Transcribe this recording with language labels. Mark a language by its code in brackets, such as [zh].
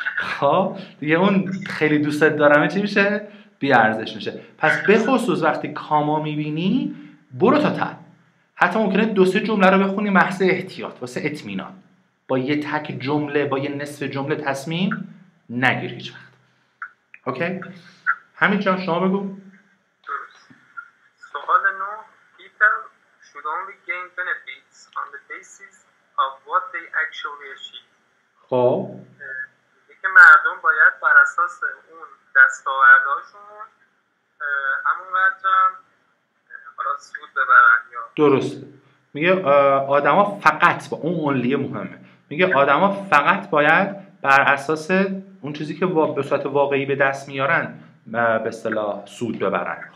[fa] خب دیگه اون خیلی دوستت دارم چی میشه؟ بی ارزش میشه. پس به خصوص وقتی کاما میبینی برو تا ته. حتی ممکنه دو سه جمله رو بخونی محض احتیاط واسه اطمینان. با یه تک جمله با یه نصف جمله تصمیم نگیر هیچ وقت. اوکی همین جان شما بگو. درست. سوال [en] 9 people should only gain benefits on the basis of what they actually achieve. [fa] خب مردم باید بر اساس اون دستاوردهاشون همونقدر هم حالا سود ببرن یا درست. میگه آدما فقط با اون اونلیه مهمه. میگه آدما فقط باید بر اساس اون چیزی که به صورت واقعی به دست میارن به اصطلاح سود ببرن.